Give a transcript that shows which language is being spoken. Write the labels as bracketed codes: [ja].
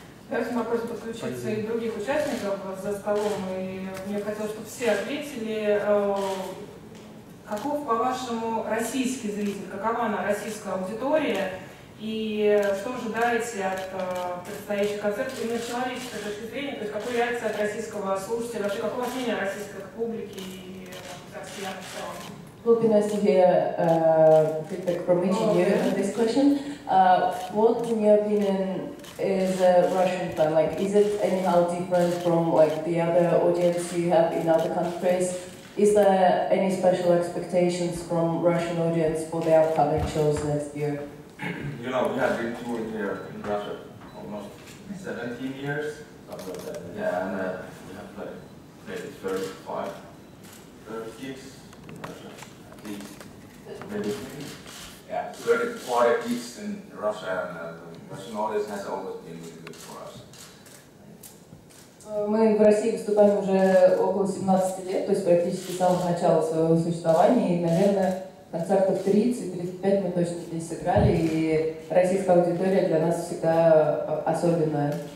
[ru] Сейчас вопрос подключиться и других участников за столом, и мне хотелось, чтобы все ответили, каков, по-вашему, российский зритель, какова она, российская аудитория, и что ожидаете от предстоящих концертов именно с человеческой точки зрения, то есть какой реакция от российского слушателя, вообще какого мнения российской публики и россиян в целом? [en] It would be nice to hear feedback from each of you on this question. What, in your opinion, is a Russian fan? Like, is it anyhow different from like the other audience you have in other countries? Is there any special expectations from Russian audience for the upcoming shows next year? You know, we have been touring here in Russia almost 17 years, something like that. Yeah, and we have played 35 gigs in Russia. Maybe 40 gigs in Russia, and Russian audience has always been really good for us. [ru] Мы в России выступаем уже около 17 лет, то есть практически с самого начала своего существования, и, наверное, концертов 30-35 мы точно здесь сыграли, и российская аудитория для нас всегда особенная.